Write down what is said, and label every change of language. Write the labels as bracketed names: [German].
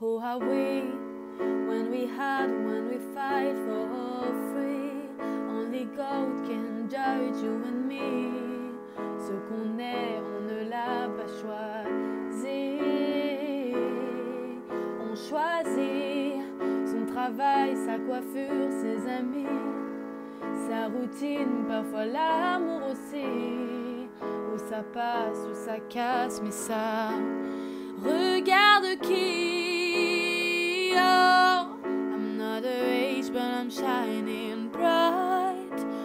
[English] Who are we when we hurt, when we fight for free? Only God can judge you and me. [French] Ce qu'on est, on ne l'a pas choisi. On choisit son travail, sa coiffure, ses amis. Sa routine, parfois l'amour aussi. Où ça passe, où ça casse, mais ça regarde qui. [English] Oh, I'm not a rage, but I'm shining bright.